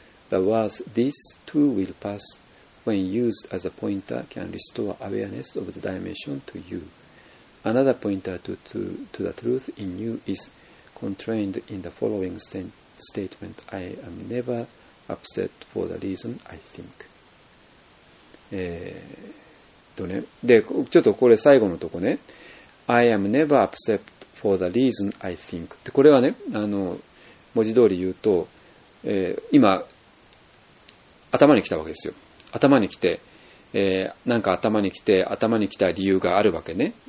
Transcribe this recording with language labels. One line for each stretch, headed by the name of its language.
English: The words, this too will pass, when used as a pointer, can restore awareness of the dimension to you. Another pointer to the truth in you is contained in the following statement. I am never upset for the reason I think.
Japanese: ね、で、ちょっとこれ最後のとこね。
English: I am never upset for the reason I think.
Japanese: で、これはね、文字通り言うと、今、頭に来たわけですよ。頭に来て、なんか頭に来て、頭に来た理由があるわけね。